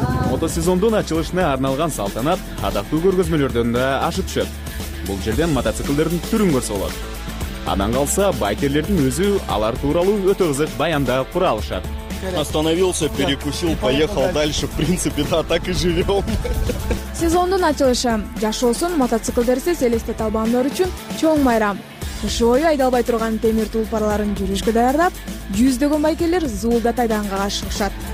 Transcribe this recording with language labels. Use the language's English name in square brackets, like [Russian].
[Kyrgyz] Мотосезондун ачылышына арналган салтанат адактуу көргөзмөлөрдөн да ашып түшөт. Бул жерден мотоциклдердин түрүн көрсө болот. Анан калса байкерлердин өзү алар тууралуу өтө кызык баяндап кура алышат. [Russian] Остановился, перекусил, поехал дальше. В принципе, да, так и живем. [Kyrgyz] Сезондун ачылышы жашоосун мотоциклдерсиз элестете албандар үчүн чоң майрам. Кыш бою айдалбай турган темир тулпарларын жүрүшкө даярдап, жүздөгөн байкерлер зуулдат айданга ашыгышат.